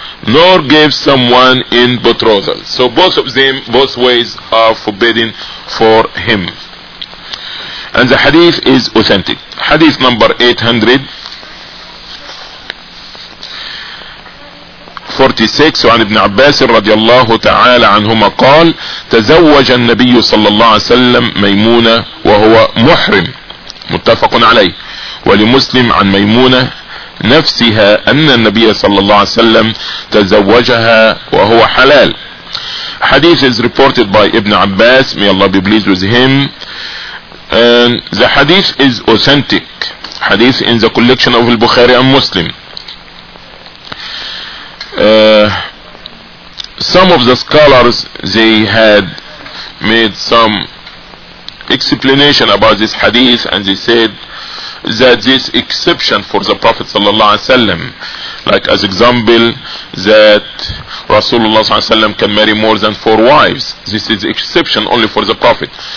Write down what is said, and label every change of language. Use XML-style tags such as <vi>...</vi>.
<en>Nor give someone in betrothal. So both of them, both ways are forbidden for him. And the hadith is authentic. Hadith number 846</en> <ar>عن ابن عباس رضي الله تعالى عنهما قال تزوج النبي صلى الله عليه وسلم ميمونة وهو محرم. متفق عليه. ولمسلم عن ميمونة نفسها أن النبي صلى الله عليه وسلم تزوجها وهو حلال.</ar> <en>Hadith is reported by ابن عباس, may Allah be pleased with him. And the hadith is authentic. Hadith in the collection of Al-Bukhari and Muslim. Some of the scholars, they had made some explanation about this hadith, and they said that this exception for the Prophet sallallahu alaihi wasallam, like as example that Rasulullah sallallahu alaihi wasallam can marry more than four wives, this is exception only for the Prophet.</en>